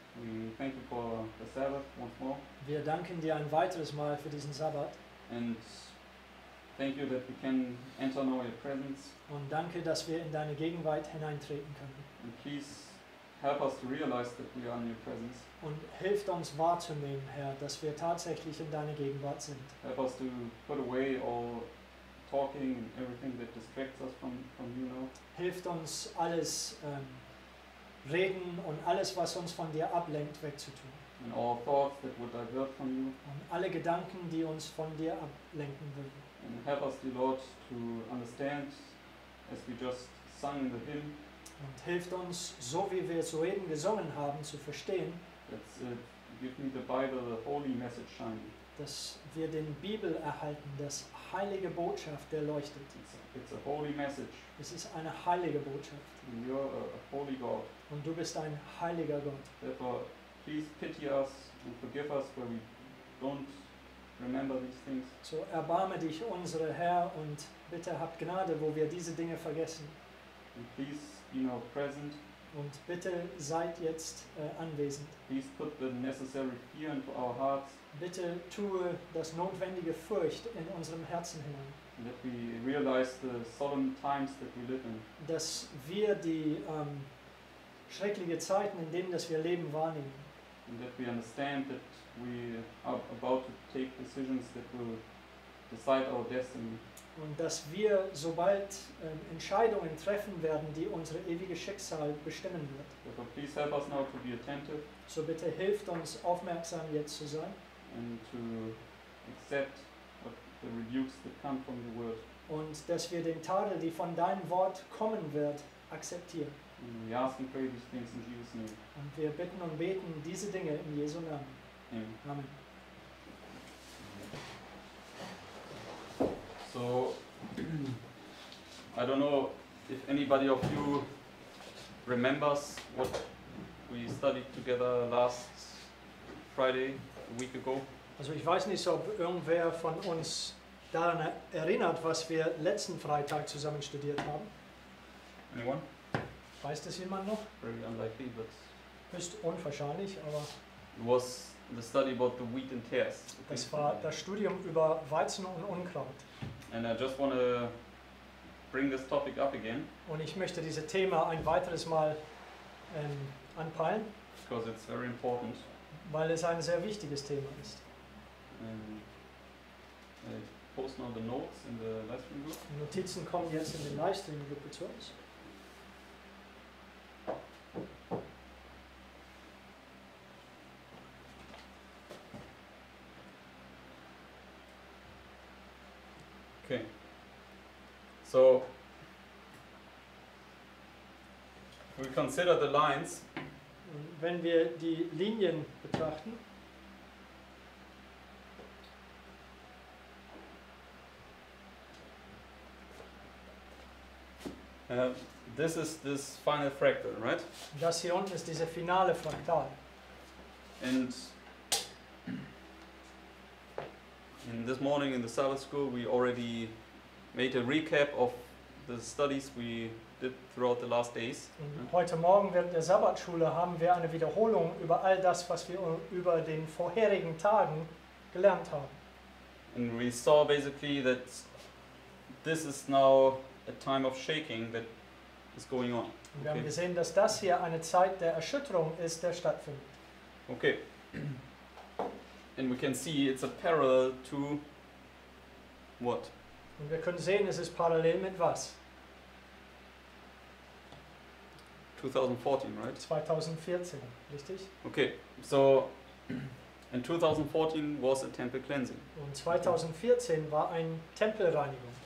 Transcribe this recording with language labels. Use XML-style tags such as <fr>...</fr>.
<en>we thank you for the Sabbath once more.</en> <de>Wir danken dir ein weiteres Mal für diesen Sabbat.</de> <en>And thank you that we can enter now your presence.</en> <de>Und danke, dass wir in deine Gegenwart hineintreten können.</de> <en>And please help us to realize that we are in your presence.</en> <de>Und hilf uns wahrzunehmen, Herr, dass wir tatsächlich in deiner Gegenwart sind.</de> <en>Help us to put away all talking and everything that distracts us from you now.</en> <de>Hilf uns alles reden und alles, was uns von dir ablenkt, wegzutun.</de> <en>And all thoughts that would divert from you.</en> <de>Und alle Gedanken, die uns von dir ablenken würden.</de> <en>And help us, dear Lord, to understand, as we just sung in the hymn.</en> <de>Und hilft uns, so wie wir soeben gesungen haben, zu verstehen,</de> <en>give me the Bible, the holy message shining.</en> <de>Dass wir den Bibel erhalten, das heilige Botschaft, der leuchtet.</de> <en>It's a holy message.</en> <de>Es ist eine heilige Botschaft.</de> <en>And you're a holy God.</en> <de>Und du bist ein heiliger Gott.</de> <en>Therefore, please pity us and forgive us when we don't remember these things.</en> <de>So erbarme dich, unsere Herr, und bitte habt Gnade, wo wir diese Dinge vergessen.</de> <en>And please be now present.</en> <de>Und bitte seid jetzt anwesend.</de> <en>Please put the necessary fear into our hearts.</en> <de>Bitte tue das notwendige Furcht in unserem Herzen hinein.</de> <en>Let we realize the solemn times that we live in.</en> <de>Dass wir die schreckliche Zeiten, in denen das wir leben, wahrnehmen.</de> <en>And that we understand that we are about to take decisions that will decide our destiny.</en> <de>Und dass wir sobald Entscheidungen treffen werden, die unser ewiges Schicksal bestimmen wird.</de> <en>So, please help us now to be attentive.</en> <de>So bitte hilft uns, aufmerksam jetzt zu sein.</de> <en>And to accept the rebukes that come from the word.</en> <de>Und dass wir den Tadel, die von deinem Wort kommen wird, akzeptieren.</de> <en>And we ask and pray these things in Jesus' name.</en> <de>Und wir bitten und beten diese Dinge in Jesu Namen.</de> <en>Amen.</en> <de>Amen.</de> <en>So, I don't know if anybody of you remembers what we studied together last Friday, a week ago.</en> <de>Also ich weiß nicht, ob irgendwer von uns daran erinnert, was wir letzten Freitag zusammen studiert haben.</de> <en>Anyone?</en> <de>Weiß das jemand noch?</de> <en>Very unlikely, but...</en> <de>Ist unwahrscheinlich, aber...</de> <en>It was the study about the wheat and tares.</en> <de>Das war das Studium über Weizen und Unkraut.</de> <en>And I just want to bring this topic up again.</en> <de>Und ich möchte dieses Thema ein weiteres Mal anpeilen.</de> <en>Because it's very important.</en> <de>Weil es ein sehr wichtiges Thema ist.</de> <en>I post now the notes in the livestream group.</en> <de>Die Notizen kommen jetzt in den Livestream group zu uns.</de> <en>Okay, so we consider the lines.</en> <de>Wenn wir die Linien betrachten,</de> <en>this is this final fractal, right?</en> <de>Das hier unten ist diese finale Fraktal.</de> <en>And in this morning in the Sabbath school, we already made a recap of the studies we did throughout the last days.</en> <de>Heute Morgen während der Sabbatschule haben wir eine Wiederholung über all das, was wir über den vorherigen Tagen gelernt haben.</de> <en>And we saw basically that this is now a time of shaking that is going on.</en> <de>Und wir haben gesehen, dass das hier eine Zeit der Erschütterung ist, der stattfindet.</de> <en>Okay. And we can see it's a parallel to what?</en> <de>Und wir können sehen, es ist parallel mit was?</de> <en>2014, right?</en> <de>2014, richtig?</de> <en>Okay, so in 2014 was a temple cleansing.</en> <de>Und 2014 war ein Tempelreinigung.</de>